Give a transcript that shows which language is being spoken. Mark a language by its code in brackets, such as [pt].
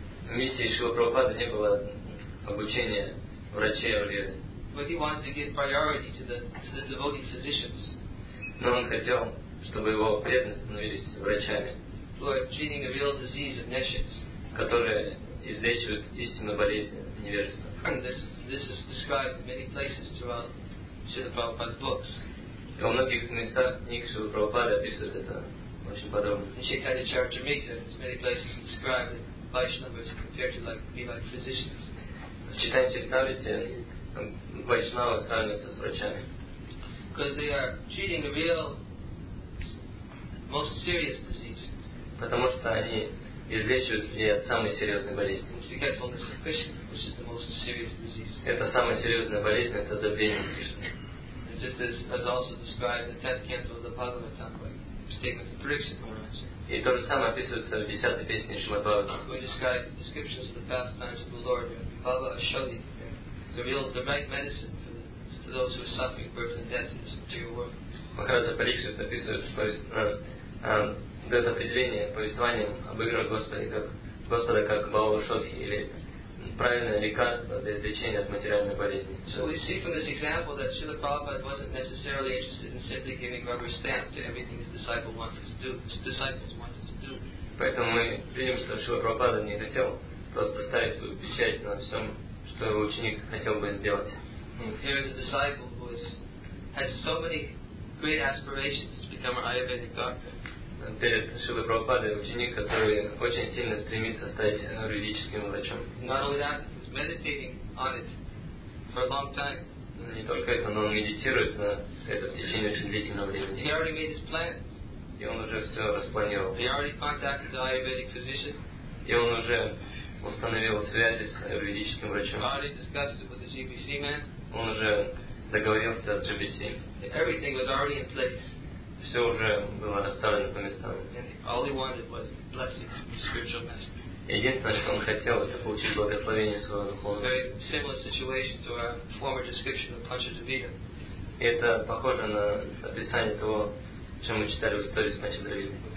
[ru] Миссия Шрила Прабхупады не было обучения врачей Аюрведы. [en] But he wanted to give priority to the devoted physicians. [ru] Но он хотел, чтобы его преданные становились врачами. [en] Who are treating a real disease of nations. [ru] Которые излечивают истинную болезнь невежества. [en] This is described in many places throughout Srila Prabhupada's books. [ru] Во многих местах книг Шрилы Прабхупады описывают это очень подробно. [en] In Chaitanya Charitamrita, in many places described it, Vaishnavas compared to like physicians. [ru] В Chaitanya Charitamrita Vaishnava сравнивается с врачами. [en] Because they are treating a real, most serious disease. [ru] Потому что они излечивают людей от самой серьезной болезни. [en] Forgetfulness of Krishna, which is the most serious disease. [ru] Это самая серьезная болезнь, это забвение Кришны. [en] Just as also described in the 10th canto of the Bhagavatam, like statement of prediction from Rashi. [ru] И то же самое описывается в 10-й песне Шримад Бхагаватам. [en] We describe the descriptions of the pastimes of the Lord, Bhava Ashodi, the right medicine for those who are suffering birth and death in this material world. [ru] Махараджа Парикшит описывает определение повествованием об играх Господа как Бхава Ашодхи, или правильное лекарство для излечения от материальной болезни. [en] So we see from this example that Srila Prabhupada wasn't necessarily interested in simply giving rubber stamp to everything his disciples wanted to do. [ru] Поэтому мы видим, что Шрила Прабхупада не хотел просто ставить свою печать на всем, что его ученик хотел бы сделать. [en] Here is a disciple who has so many great aspirations to become an Ayurvedic doctor. [ru] Перед Шрилой Прабхупадой ученик, который очень сильно стремится стать аюрведическим врачом. [en] Not only that, he's meditating on it for a long time. [ru] Не только это, но он медитирует на это в течение очень длительного времени. [en] He already made his plan. [ru] И он уже все распланировал. [en] He already contacted the Ayurvedic physician. [ru] И он уже установил связи с аюрведическим врачом. [en] He already discussed it with the GBC man. [ru] Он уже договорился с GBC. [en] Everything was already in place. [ru] Все уже было расставлено по местам. [en] All he wanted was blessings from the spiritual master. [ru] Единственное, что он хотел, это получить благословение своего духовного. [en] Very similar situation to our former description of Panchadevita. [ru] И это похоже на описание того, чем мы читали в истории с Панчадевитой.